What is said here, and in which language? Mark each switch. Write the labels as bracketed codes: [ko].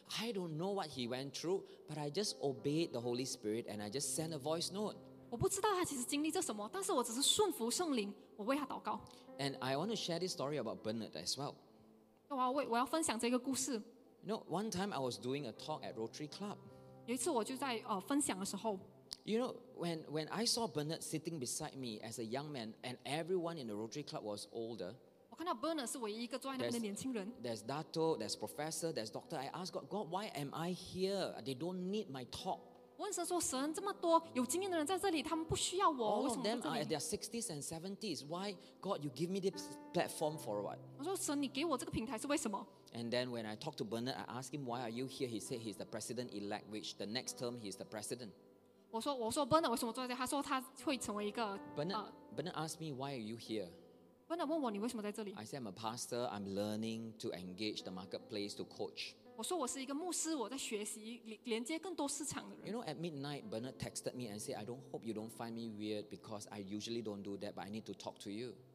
[en] I don't know what he went through, but I just obeyed the Holy Spirit and I just sent a voice note. [zh] 我不知道他其实经历着什么，但是我只是顺服圣灵，我为他祷告。 [en] And I want to share this story about Bernard as well. [zh] 我要分享这个故事。 [en] You know, one time I was doing a talk at Rotary Club. [zh] 有一次我就在, [en] You know, when I saw Bernard sitting beside me as a young man, and everyone in the Rotary Club was older, there's Dato, there's Professor, there's Doctor, I asked God, God, why am I here? They don't need my talk. [zh] 我问神说，神这么多有经验的人在这里, 他们不需要我, [en] All [zh] 为什么在这里? [en] Of them are at their 60s and 70s. Why, God, you give me this platform for what? [zh] 我说神你给我这个平台是为什么? [en] And then when I talked to Bernard, I asked him, why are you here? He said he's the president-elect, which the next term, he's the president. [zh] 我说 Bernard 为什么坐在这里?他说他会成为一个, [en] Bernard asked me, why are you here? [zh] Bernard 问我你为什么在这里? [en] I said, I'm a pastor, I'm learning to engage the marketplace to coach. [zh] 我说我是一个牧师，我在学习连接更多市场的人。 [en] You know, at midnight, Bernard texted me and said, I don't hope you don't find me weird because I usually don't do that, but I need to talk to you.